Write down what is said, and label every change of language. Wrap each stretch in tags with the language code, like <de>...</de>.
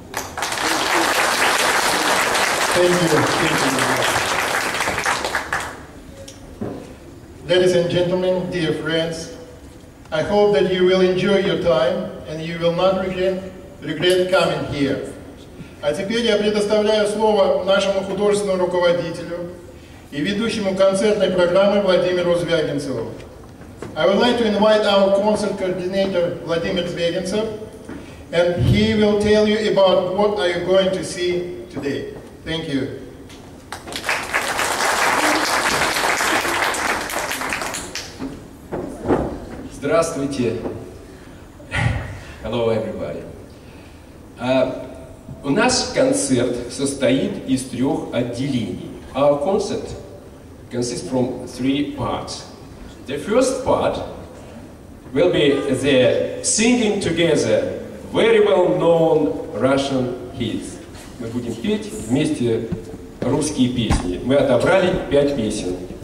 <en>Thank you. Ladies and gentlemen, dear friends, I hope that you will enjoy your time and you will not regret coming here.</en> <ru>А теперь я предоставляю слово нашему художественному руководителю и ведущему концертной программы Владимиру Звягинцеву.</ru> <en>I would like to invite our concert coordinator Vladimir Zvyagintsev, and he will tell you about what are you going to see today. Thank you.</en> <ru>Здравствуйте!</ru> <en>Hello, everybody!</en> <ru>У нас концерт состоит из трех отделений.</ru> <en>Our concert consists from three parts. The first part will be the singing together very well-known Russian hits.</en> <ru>Мы будем петь вместе русские песни. Мы отобрали пять песен.</ru>